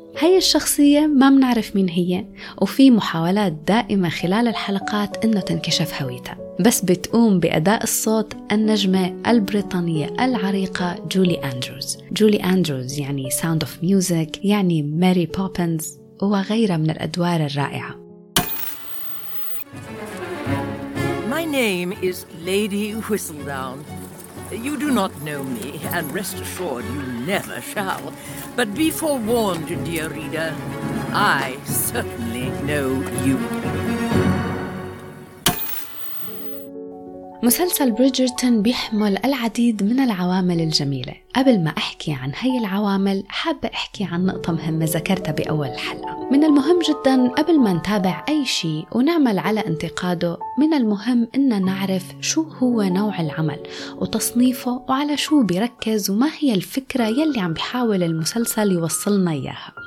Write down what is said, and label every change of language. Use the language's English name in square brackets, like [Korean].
[Arabic] هاي الشخصية ما منعرف مين هي، وفي محاولات دائمة خلال الحلقات إنه تنكشف هويتها، بس بتقوم بأداء الصوت النجمة البريطانية العريقة جولي أندروز. جولي أندروز يعني ساوند أوف ميوزك، يعني ماري بوبينز، وغيرها من الأدوار الرائعة. [English] My name is Lady Whistledown. You do not know me, and rest assured you never shall. But be forewarned, dear reader, I certainly know you. [Arabic] مسلسل بريدجرتون بيحمل العديد من العوامل الجميلة. قبل ما أحكي عن هاي العوامل، حابة أحكي عن نقطة مهمة ذكرتها بأول الحلقة. من المهم جداً قبل ما نتابع أي شيء ونعمل على انتقاده، من المهم إن نعرف شو هو نوع العمل وتصنيفه وعلى شو بيركز وما هي الفكرة يلي عم بيحاول المسلسل يوصلنا إياها.